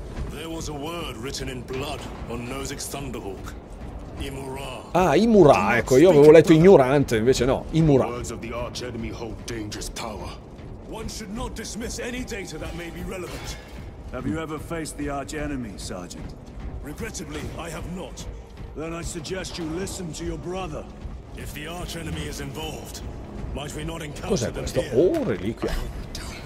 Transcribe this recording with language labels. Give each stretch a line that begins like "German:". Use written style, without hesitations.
English: There was a word written in blood on Nozick's Thunderhawk. Imura.
Italian: Ah, Imura, ecco, io avevo letto ignorante, invece no, Imura.
English: Words of the arch enemy hold dangerous power. One should not dismiss any data that may be relevant. Have you ever faced the arch enemy, Sergeant? Regrettably, I have not. Then I suggest you listen to your brother. If the arch enemy is involved, might we not encounter them here?
Italian: Cos'è questo? Oh, reliquia.
English: I hope to.